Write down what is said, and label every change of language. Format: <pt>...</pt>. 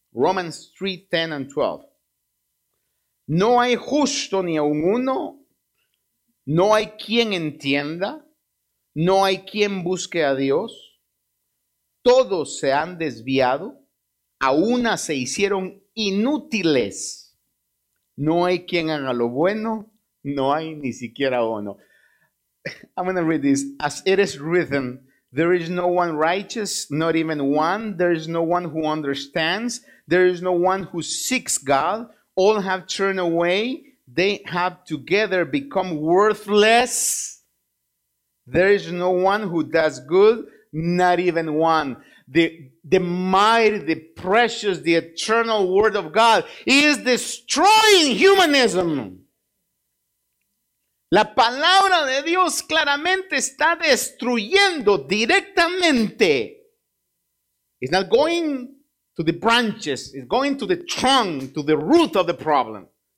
<en>Romans 3, 10 and 12.</en> <es>No hay justo ni aun uno, no hay quien entienda, no hay quien busque a Dios. Todos se han desviado, a una se hicieron inútiles. No hay quien haga lo bueno, no hay ni siquiera uno.</es> <en>I'm going to read this. As it is written, there is no one righteous, not even one. There is no one who understands. There is no one who seeks God. All have turned away. They have together become worthless. There is no one who does good, not even one. The mighty, the precious, the eternal word of God is destroying humanism.</en> <es>La palabra de Dios claramente está destruyendo directamente.</es> <en>It's not going to the branches. It's going to the trunk, to the root of the problem.</en>